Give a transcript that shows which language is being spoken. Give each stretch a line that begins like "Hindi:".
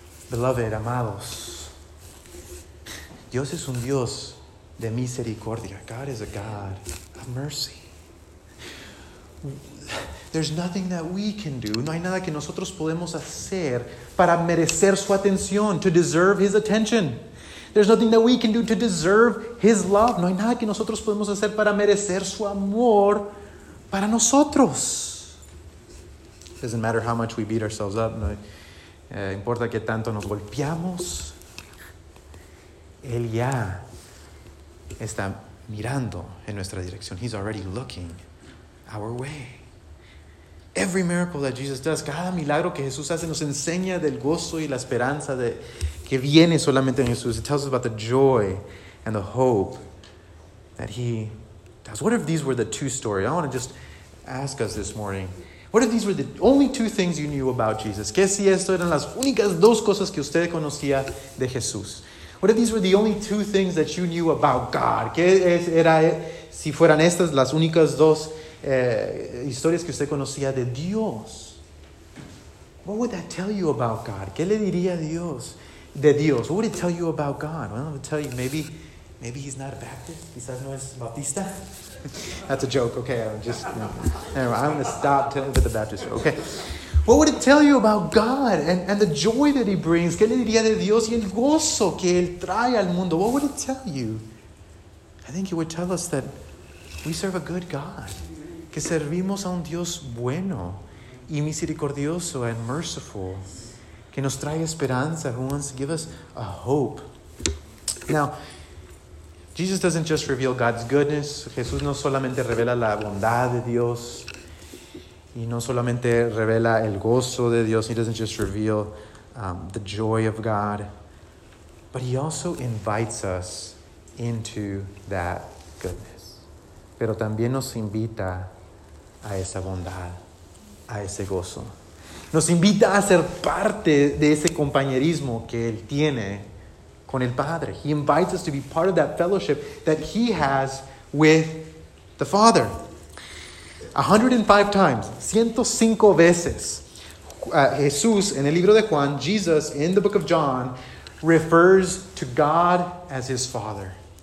Spanish: Beloved, amados. Dios es un Dios de misericordia.
English: God is a God of mercy. There's nothing that we can do.
Spanish: No hay nada que nosotros podemos hacer para merecer su atención,
English: to deserve his attention. There's nothing that we can do to deserve his love.
Spanish: No hay nada que nosotros podemos hacer para merecer su amor para nosotros.
English: It doesn't matter how much we beat ourselves up.
Spanish: No importa que tanto nos golpeamos. Él ya está mirando en nuestra dirección.
English: He's already looking our way. Every miracle that Jesus does,
Spanish: cada milagro que Jesús hace, nos enseña del gozo y la esperanza de que viene solamente en Jesús.
English: It tells us about the joy and the hope that he does. What if these were the two stories? I want to just ask us this morning. What if these were the only two things you knew about Jesus?
Spanish: ¿Qué si esto eran las únicas dos cosas que usted conocía de Jesús?
English: What if these were the only two things that you knew about God?
Spanish: ¿Qué era si fueran estas las únicas dos historias que usted conocía de Dios?
English: What would that tell you about God?
Spanish: ¿Qué le diría Dios de Dios?
English: What would it tell you about God? Well, I'll tell you, maybe he's not a Baptist.
Spanish: Quizás no es Bautista.
English: That's a joke, okay. I'm going to stop telling the Baptist joke. Okay. What would it tell you about God and the joy that he brings?
Spanish: ¿Qué le diría de Dios y el gozo que él trae al mundo?
English: What would it tell you? I think it would tell us that we serve a good God.
Spanish: Que servimos a un Dios bueno y misericordioso
English: and merciful.
Spanish: Que nos trae esperanza,
English: who wants to give us a hope. Now, Jesus doesn't just reveal God's goodness.
Spanish: Jesús no solamente revela la bondad de Dios. Y no solamente revela el gozo de Dios.
English: He doesn't just reveal the joy of God. But he also invites us into that goodness.
Spanish: Pero también nos invita a esa bondad, a ese gozo. Nos invita a ser parte de ese compañerismo que él tiene con el Padre.
English: He invites us to be part of that fellowship that he has with the Father. 105 times,
Spanish: 105 veces, Jesús en el libro de Juan,
English: Jesus in the book of John, refers to God as his Father.